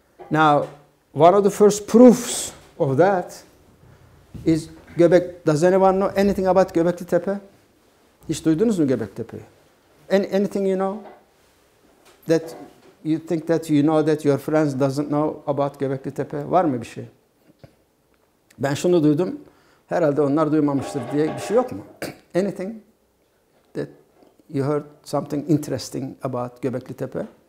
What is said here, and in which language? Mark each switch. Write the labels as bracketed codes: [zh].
[en] Now, one of the first proofs of that is Göbek. Does anyone know anything about Göbekli Tepe? [tr] Hiç duydunuz mu Göbekli Tepe? [en] Anything you know that you think that you know that your friends doesn't know about Göbekli Tepe? [tr] Var mı bir şey? Ben şunu duydum. Herhalde onlar duymamıştır diye bir şey yok mu? [en] Anything that you heard something interesting about Göbekli Tepe?